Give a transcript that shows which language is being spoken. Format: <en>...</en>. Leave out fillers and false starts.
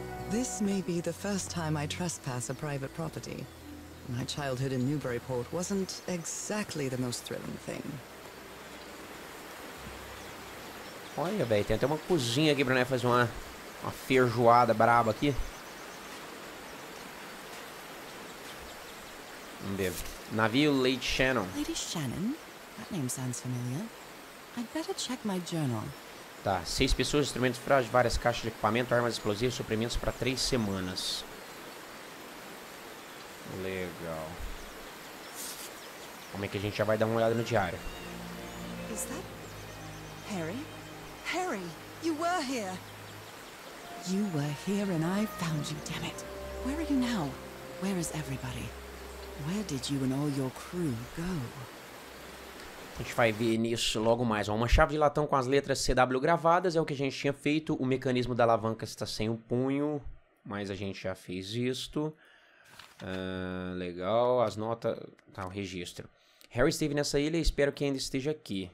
<en>This may be the first time I trespass a private property. My childhood in Newburyport wasn't exactly the most thrilling thing.</en> <pt>Olha, velho, tem até uma cozinha aqui pra né, fazer uma feijoada braba aqui. Vamos ver. Navio Lady Shannon.</pt> <en>Lady Shannon? That name sounds familiar. I'd better check my journal.</en> <pt>Tá, 6 pessoas, instrumentos frágeis, várias caixas de equipamento, armas explosivas, suprimentos para 3 semanas. Legal. Como é que a gente já vai dar uma olhada no diário?</pt> <en>Is that Harry? Harry, you were here. You were here and I found you, damn it. Where are you now? Where is everybody? Where did you and all your crew go?</en> <pt>A gente vai ver nisso logo mais. Uma chave de latão com as letras CW gravadas é o que a gente tinha feito. O mecanismo da alavanca está sem o punho, mas a gente já fez isto. Legal, as notas... Tá, o registro. Harry esteve nessa ilha e espero que ainda esteja aqui.</pt>